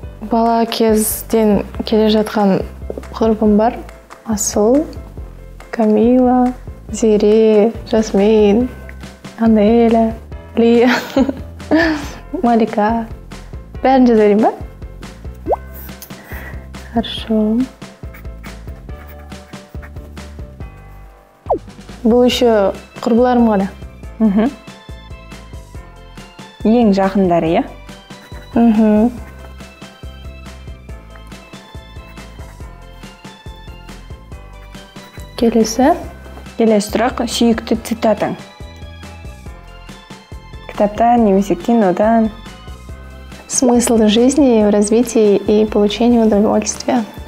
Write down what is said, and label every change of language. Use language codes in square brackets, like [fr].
[kk] Бала кезден келе жатқан құрбым бар. Асыл, Камила, Зере, Жасмин, Анеля, Лия, Малика. Бәрін жазарим ба? [ru] Хорошо. [kk] Бұл үші құрбыларым ғана. Ең жақындары, е? Келесі? Келесі тұрақ, сүйікті цитатың. Кітаптан, немесе кинодан. [ru] Смысл жизни в развитии и получении удовольствия.